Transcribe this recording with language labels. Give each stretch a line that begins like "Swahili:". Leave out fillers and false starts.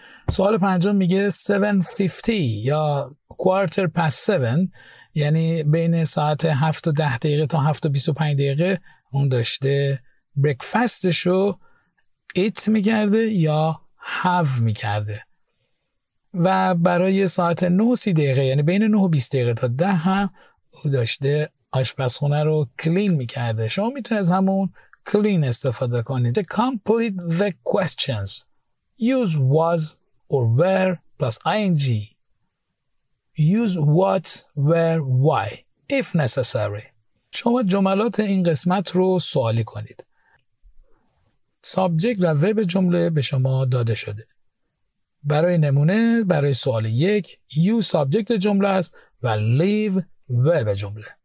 Persian: سوال پنجم میگه 7:50 یا 7:15 یعنی بین ساعت 7:10 دقیقه تا 7:25 دقیقه اون داشته بریکفستشو ایت میکرده یا هاو میکرده. و برای ساعت 9:30 دقیقه یعنی بین 9:20 دقیقه تا 10 هم او داشته آشپزخونه رو کلین میکرده. شما میتونید از همون کلین استفاده کنید.
English: To complete the questions use was or were plus ing. Use what, where, why if necessary.
Persian: شما جملات این قسمت رو سوالی کنید. سابجکت و ورب جمله به شما داده شده. برای نمونه برای سوال 1 you سابجکت جمله است و live ورب جمله.